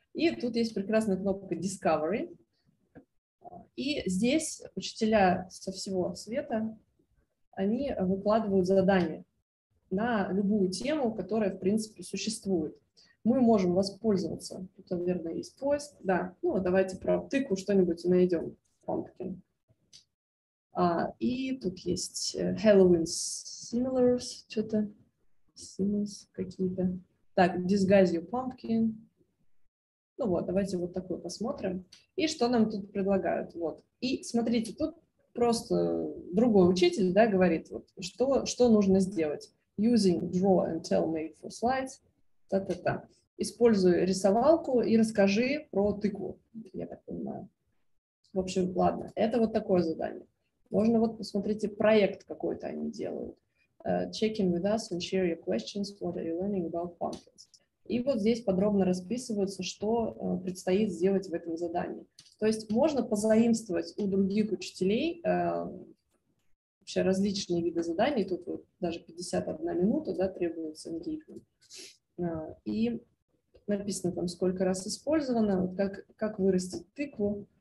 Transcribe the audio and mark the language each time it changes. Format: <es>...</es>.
<ru>И тут есть прекрасная кнопка Discovery. И здесь учителя со всего света, они выкладывают задания на любую тему, которая, в принципе, существует. Мы можем воспользоваться. Тут, наверное, есть поиск. Да, ну, давайте про тыкву что-нибудь найдем. Pumpkin. И тут есть Halloween Similars. Что-то. Similars какие-то.</ru> <en>Так, Disguise your Pumpkin.</en> <ru>Ну вот, давайте вот такое посмотрим. И что нам тут предлагают. Вот. И смотрите, тут просто другой учитель, да, говорит, вот, что нужно сделать.</ru> <en>Using draw and tell made for slides. Та-та-та.</en> <ru>Используй рисовалку и расскажи про тыкву. Я так понимаю. В общем, ладно. Это вот такое задание. Можно вот, посмотрите, проект какой-то они делают.</ru> <en>Check in with us and share your questions. What are you learning about pumpkins?</en> <ru>И вот здесь подробно расписывается, что предстоит сделать в этом задании. То есть можно позаимствовать у других учителей вообще различные виды заданий, тут вот даже 51 минута, да, требуется engagement. И написано там, сколько раз использовано, как вырастить тыкву.</ru>